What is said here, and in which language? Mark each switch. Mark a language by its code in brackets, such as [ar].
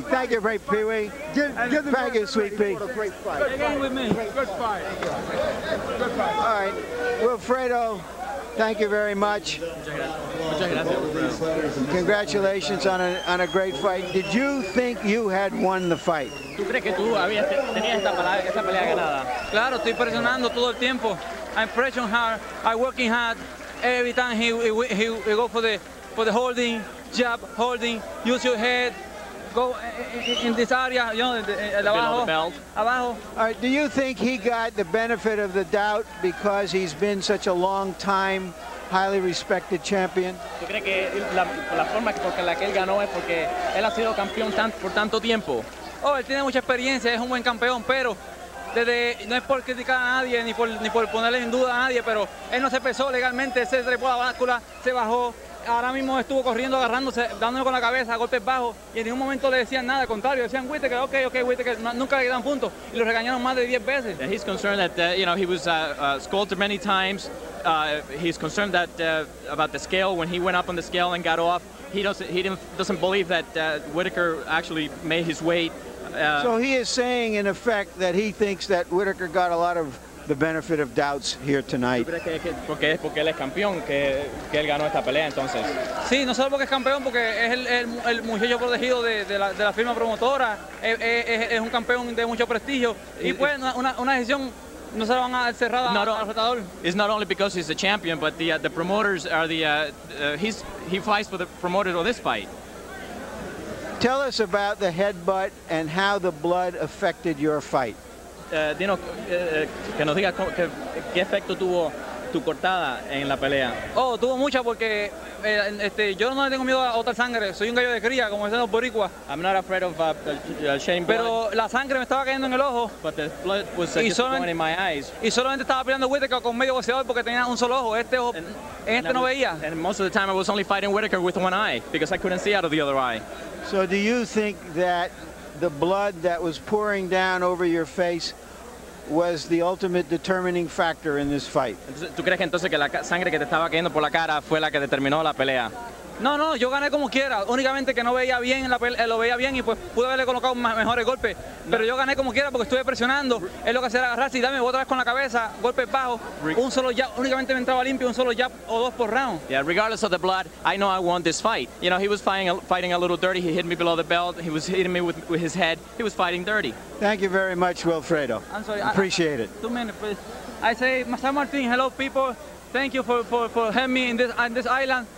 [en] Thank you, Ray Pee-wee. Thank you, Sweet Pea. Good fight. Good fight. All right, Wilfredo, Thank you very much. Congratulations on a great fight. Did you think you had won the fight? [es] ¿Tú crees que tú habías tenías esta palabra, esta pelea ganada? Claro, estoy presionando todo el tiempo. [en] I'm pressing hard. I'm working hard. Every time he go for the holding, jab, holding, use your head. Go in this area, you know, abajo. Abajo. All right, do you think he got the benefit of the doubt because he's been such a long time, highly respected champion? [es] ¿Tú crees que la forma porque la que él ganó es porque él ha sido campeón por tanto tiempo? Oh, él tiene mucha experiencia, es un buen campeón, pero desde no es por criticar a nadie ni por ponerle en duda a nadie, pero él no se pesó legalmente, se trepó la báscula, se bajó. Ahora mismo estuvo corriendo, agarrándose, dándole con la cabeza, a golpes bajos, y en ningún momento le decían nada, al contrario, decían Whitaker, okay, Whitaker, nunca le quedan puntos, y lo regañaron más de 10 veces. [en] And he's concerned that, you know, he was scolded many times. He's concerned that about the scale, when he went up on the scale and got off, he doesn't believe that Whitaker actually made his weight. So he is saying, in effect, that he thinks that Whitaker got a lot of the benefit of doubts here tonight. [es] Porque es porque él es campeón que él ganó esta pelea entonces. Sí, no solo porque es campeón porque es el muchacho protegido de la firma promotora, es un campeón de mucho prestigio y pues una decisión no se la van a dar cerrada al retador. [en] It's not only because he's a champion but the promoters are he fights for the promoters of this fight. Tell us about the headbutt and how the blood affected your fight. [es] Que nos diga qué efecto tuvo tu cortada en la pelea. Oh, tuvo mucha porque yo no le tengo miedo a otra sangre. Soy un gallo de cría, como dicen los boricuas. [en] I'm not afraid of shedding blood. [es] Pero la sangre me estaba cayendo en el ojo. [en] But the blood was going in my eyes. [es] Y solamente estaba peleando Whitaker con medio boxeador porque tenía un solo ojo. Este ojo, no veía. [en] And most of the time I was only fighting Whitaker with one eye because I couldn't see out of the other eye. So do you think that the blood that was pouring down over your face was the ultimate determining factor in this fight? [es] ¿Tú crees que entonces que la sangre que te estaba cayendo por la cara fue la que determinó la pelea? No, yo gané como quiera. Únicamente que no veía bien, lo veía bien y pues pude haberle colocado mejores golpes. Pero yo gané como quiera porque estuve presionando. Es lo que hacía agarrarse y dame otra vez con la cabeza, golpes bajos. Un solo jab, únicamente me entraba limpio, un solo jab o dos por round. [en] Yeah, regardless of the blood, I know I won this fight. You know, he was fighting a little dirty. He hit me below the belt. He was hitting me with his head. He was fighting dirty. Thank you very much, Wilfredo. I'm sorry. Appreciate it. 2 minutes, please. I say, San Martin, hello, people. Thank you for having me in this island.